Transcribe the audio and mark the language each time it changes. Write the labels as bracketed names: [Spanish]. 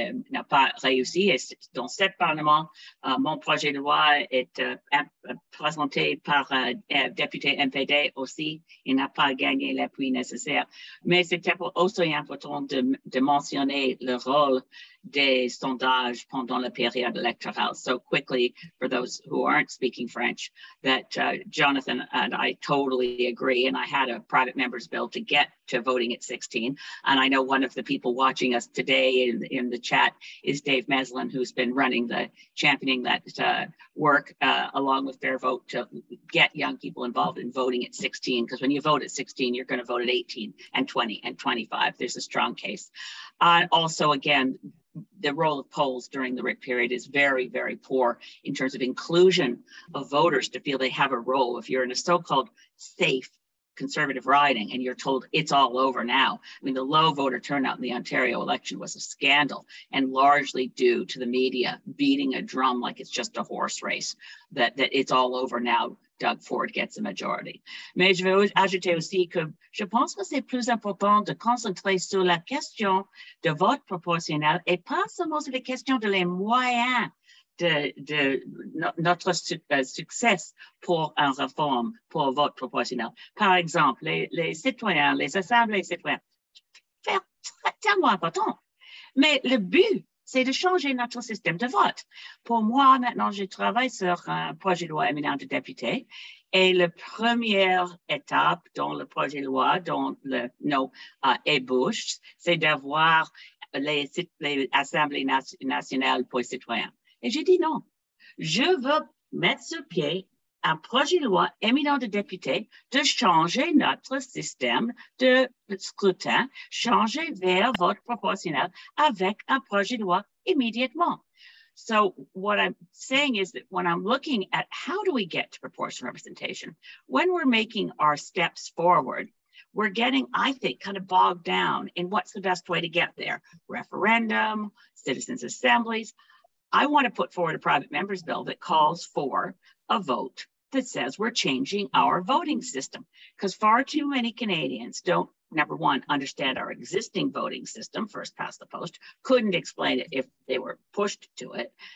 [French] N'a pas réussi. Et dans ce Parlement, mon projet de loi est présenté par député NPD aussi. Il n'a pas gagné l'appui nécessaire. Mais c'était aussi important de mentionner le rôle des sondages pendant la période électorale. [English] So quickly, for those who aren't speaking French, that Jonathan and I totally agree, and I had a private member's bill to get to voting at 16. And I know one of the people watching us today in the chat is Dave Meslin, who's been running the championing that work along with Fair Vote to get young people involved in voting at 16. Because when you vote at 16, you're going to vote at 18 and 20 and 25. There's a strong case. Also, again, the role of polls during the RIC period is very, very poor in terms of inclusion of voters to feel they have a role. If you're in a so-called safe conservative riding and you're told it's all over now. I mean, the low voter turnout in the Ontario election was a scandal, and largely due to the media beating a drum like it's just a horse race, that it's all over now. Doug Ford gets a majority. [French] Mais je veux ajouter aussi que je pense que c'est plus important de concentrer sur la question de vote proportionnel et pas seulement sur la question de les moyens de notre succès pour une réforme pour vote proportionnel. Par exemple, les citoyens, les assemblées citoyennes, c'est tellement important. Mais le but, c'est de changer notre système de vote. Pour moi, maintenant, je travaille sur un projet de loi éminent de député, et la première étape dans le projet de loi, dans nos ébauches, c'est d'avoir l'Assemblée nationale pour les citoyens. Et j'ai dit non. Je veux mettre sur pied un projet de loi éminent de députés de changer notre système de scrutin, changer vers vote proportionnel avec un projet de loi immédiatement. [English] So what I'm saying is that when I'm looking at how do we get to proportional representation, when we're making our steps forward, we're getting, I think, kind of bogged down in what's the best way to get there. Referendum, citizens' assemblies. I want to put forward a private members bill that calls for a vote that says we're changing our voting system, because far too many Canadians don't, number one, understand our existing voting system, first past the post, couldn't explain it if they were pushed to it.